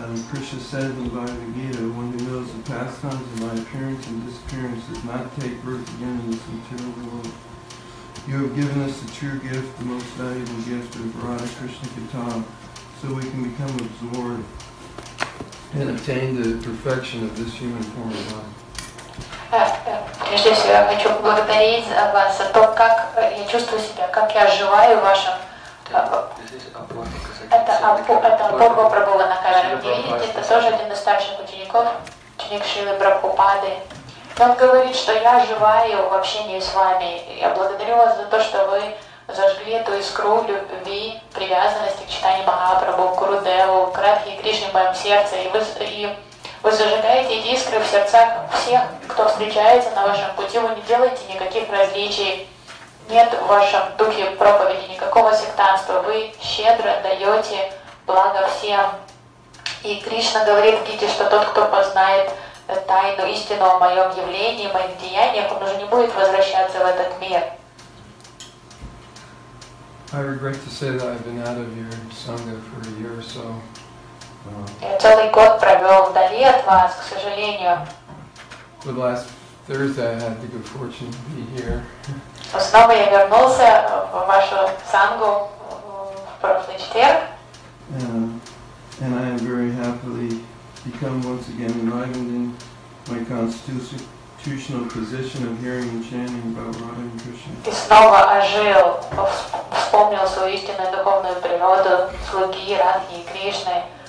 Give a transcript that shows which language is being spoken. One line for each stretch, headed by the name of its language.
English: Krishna said in the Bhagavad Gita, one who knows the pastimes of my appearance and disappearance does not take birth again in this material world. You have given us the true gift, the most valuable gift of Radha Krishna Katha, so we can become absorbed and attain the perfection of this human form of life.
Russian: Прежде всего, я хочу поблагодарить вас за то, как я чувствую себя, как я оживаю в вашем... Это Апурва Прабхува Накарана. Вы видите, это тоже один из старших учеников, ученик Шрилы Прабхупады. Он говорит, что я оживаю в общении с вами. Я благодарю вас за то, что вы зажгли эту искру любви, привязанности к Чайтанье Махапрабху, к Гурудеву, к Радхе Кришне в моем сердце. Вы зажигаете эти искры в сердцах всех, кто встречается на вашем пути. Вы не делаете никаких различий. Нет в вашем духе проповеди никакого сектантства. Вы щедро даете благо всем. И Кришна говорит в Гите, что тот, кто познает тайну истину о моем явлении, моих деяниях, он уже не будет возвращаться в этот мир.
English: I regret to say that I've been out of your sangha for a year or so.
Russian: Я целый год провел вдали от вас, к сожалению.
English: The last Thursday I had the good fortune to be here.
Russian: Снова я вернулся в вашу сангу в прошлый четверг.
English: And I am very happily become once again enlightened in my constitutional position of hearing and chanting about Radha and Krishna.
Russian: И снова ожил, вспомнил свою истинную духовную природу, слуги Радхи и Кришны.